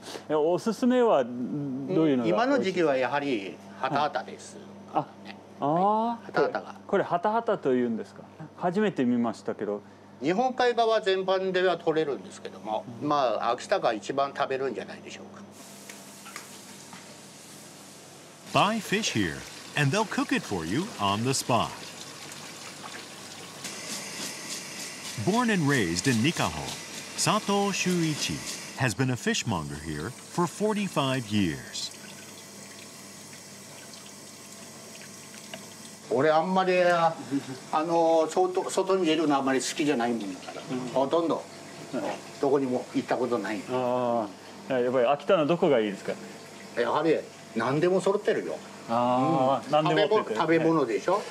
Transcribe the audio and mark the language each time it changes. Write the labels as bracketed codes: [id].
[ja] おすすめはどういうのが、今の時期はやはりハタハタです、はい、あ、ハタハタが、これハタハタというんですか。初めて見ましたけど、日本海側全般では取れるんですけども、まあ秋田が一番食べるんじゃないでしょうか。 [en] Buy fish here and they'll cook it for you on the spot. Born and raised in Nikaho, Sato Shuichi has been a fishmonger here for 45 years. [ja] 俺あんまり外に出るのあんまり好きじゃないもんだから、うん、ほとんど、はい、どこにも行ったことない。あ、やっぱり秋田のどこがいいですか。やはり何でも揃ってるよ。食べ物でしょ、